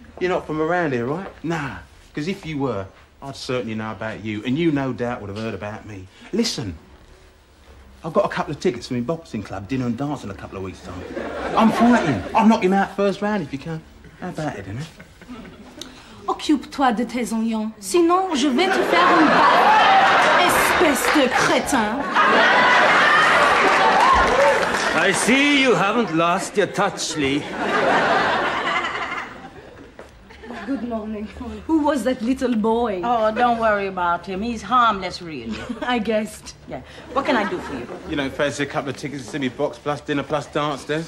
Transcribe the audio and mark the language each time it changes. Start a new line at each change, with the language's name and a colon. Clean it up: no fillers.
English: You're not from around here, right? Nah, because if you were, I'd certainly know about you, and you no doubt would have heard about me. Listen, I've got a couple of tickets for my boxing club, dinner and dance in a couple of weeks' time. I'm fighting. I'll knock him out first round if you can. How about it, innit?
French: Occupe-toi de tes oignons. Sinon, je vais te faire une balle, espèce de crétin.
English: I see you haven't lost your touch, Lee. Good morning. Who was that little boy? Oh, don't worry about him. He's harmless, really. I guessed. Yeah. What can I do for you? You know, fancy a couple of tickets to see me box plus dinner plus dance, Des.